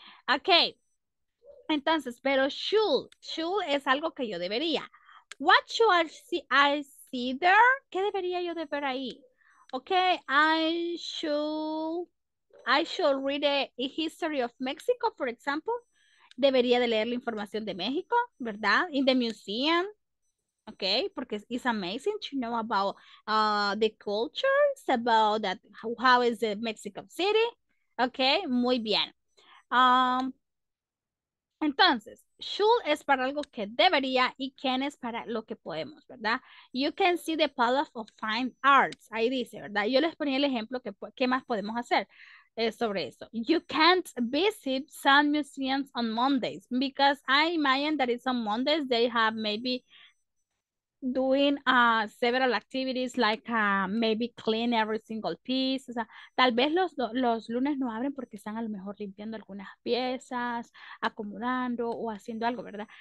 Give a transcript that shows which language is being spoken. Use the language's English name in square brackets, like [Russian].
[Spanish] Okay. Entonces, pero should es algo que yo debería. [English] What should I see there? [Spanish] ¿Qué debería yo de ver ahí? [English] Okay, I should read a history of Mexico, for example. [Spanish] Debería de leer la información de México, ¿verdad? [English] In the museum. Okay, [Spanish] porque [English] it's amazing to know about the culture. It's about that, how is the Mexico City. Okay, [Spanish] muy bien. Entonces, should es para algo que debería y can es para lo que podemos, ¿verdad? [English] You can see the Palace of Fine Arts. [Spanish] Ahí dice, ¿verdad? Yo les ponía el ejemplo que qué más podemos hacer. Sobre eso. [English] You can't visit some museums on Mondays because I imagine that it's on Mondays they have maybe doing several activities like maybe clean every single piece. [Spanish] O sea, tal vez los lunes no abren porque están a lo mejor limpiando algunas piezas, acomodando o haciendo algo, ¿verdad?